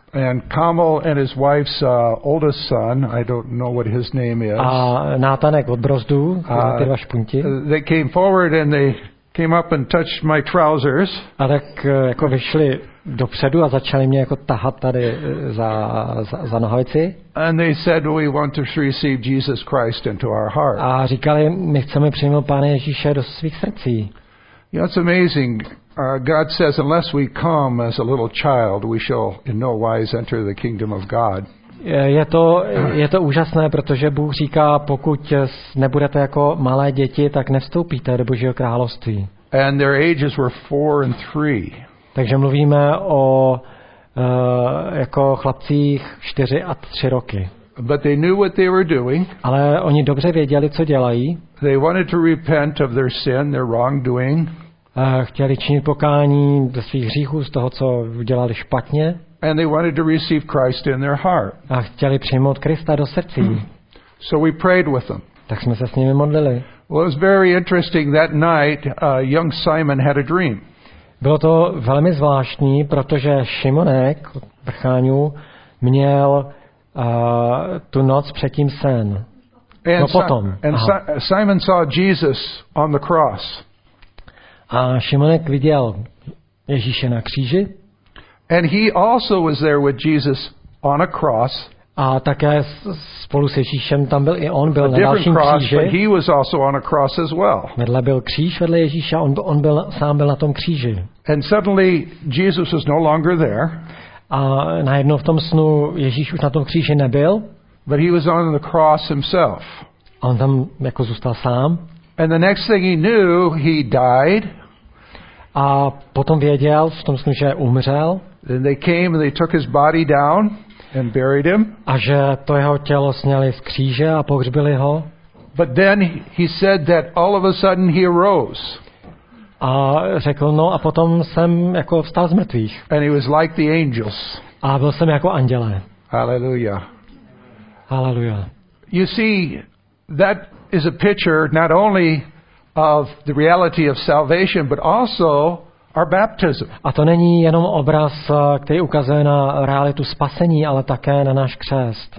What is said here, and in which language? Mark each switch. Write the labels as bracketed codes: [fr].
[en] And Kamal and his wife's oldest son, I don't know what his name is. [cs] A Nátanek od Brozdu, ty vaš punti. [en] They came forward and they came up and touched my trousers. [cs] A tak jako vyšli dopředu a začali mě jako tahat tady za nohavici. [en] And they said we want to receive Jesus Christ into our heart. [cs] A říkali, my chceme přijmout Pána Ježíše do svých srdcí. [en] Yeah, it's amazing. God says unless we come as a little child, we shall in no wise enter the kingdom of God. [cs] Je to úžasné, protože Bůh říká, pokud nebudete jako malé děti, tak nevstoupíte do Božího království. [en] And their ages were 4 and 3. [cs] Takže mluvíme o jako chlapcích 4 a 3 roky. [en] But they knew what they were doing. [cs] Ale oni dobře věděli, co dělají. [en] They wanted to repent of their sin, their wrongdoing. [cs] Chtěli činit pokání ze svých hříchů, z toho, co udělali špatně. [en] And they wanted to receive Christ in their heart. [cs] A chtěli přijmout Krista do srdcí. [en] So we prayed with them. [cs] Tak jsme se s nimi modlili. [en] Well, it was very interesting that night, young Simon had a dream. [cs] Bylo to velmi zvláštní, protože Šimonek od Brcháňů měl tu noc předtím sen. [en] And [cs] no potom. [en] Simon saw Jesus on the cross. [cs] A Šimonek viděl Ježíše na kříži. [en] And he also was there with Jesus on a cross. [cs] A také spolu s Ježíšem tam byl i on, byl a na dalším [en] cross, [cs] kříži. [en] But he was also on a cross as well. [cs] Vedle byl kříž vedle Ježíše, on byl sám byl na tom kříži. [en] And suddenly Jesus was no longer there. [cs] A najednou v tom snu Ježíš už na tom kříži nebyl. [en] But he was on the cross himself. [cs] On tam jako zůstal sám. [en] And the next thing he knew, he died. [cs] A potom věděl v tom snu, že umřel. [en] Then they came and they took his body down and buried him. [cs] A že to jeho tělo sněli z kříže a pohřbili ho. [en] But then he said that all of a sudden he arose. [cs] A řekl, no a potom jsem jako vstal z mrtvých. [en] And he was like the angels. [cs] A byl jsem jako andělé. [en] Hallelujah. [cs] Hallelujah. [en] You see, that is a picture not only of the reality of salvation, but also our baptism. [cs] A to není jenom obraz, který ukazuje na realitu spasení, ale také na náš křest.